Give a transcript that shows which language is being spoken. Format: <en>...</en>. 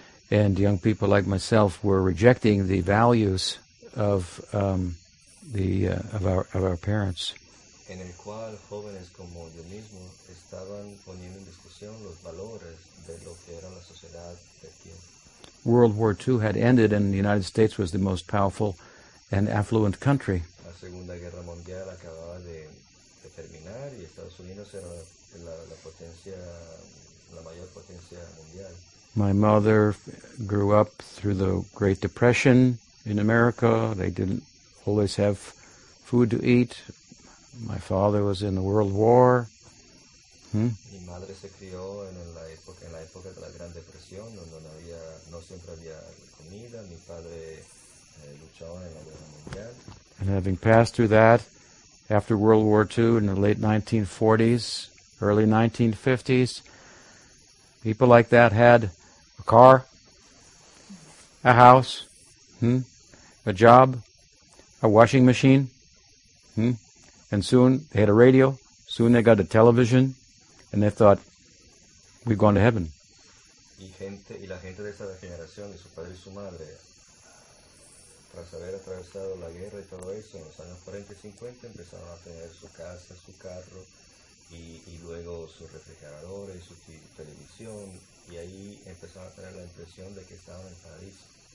<en>And young people like myself were rejecting the values of our parents.</en> <es>En el cual jóvenes como yo mismo estaban poniendo en discusión los valores de lo que era la sociedad del tiempo.</es> <en>World War II had ended and the United States was the most powerful and affluent country.</en> <es>La Segunda Guerra Mundial acababa de terminar y Estados Unidos era la mayor potencia mundial.</es> <en>My mother grew up through the Great Depression in America. They didn't always have food to eat. My father was in the World War.</en> <es>Mi madre se crió en la época de la Gran Depresión, donde no siempre había comida. Mi padre luchó en la Guerra Mundial.</es> <en>And having passed through that, after World War II in the late 1940s, early 1950s, people like that had a car, a house, a job, a washing machine, and soon they had a radio, soon they got a television, and they thought, we've gone to heaven.</en> <es>Y la gente de esa generación, de su padre y su madre, tras haber atravesado la guerra y todo eso, en los años 40 y 50, empezaron a tener su casa, su carro, y luego su refrigerador y su televisión, y ahí empezaron a tener la impresión de que estaban en paraíso.</es>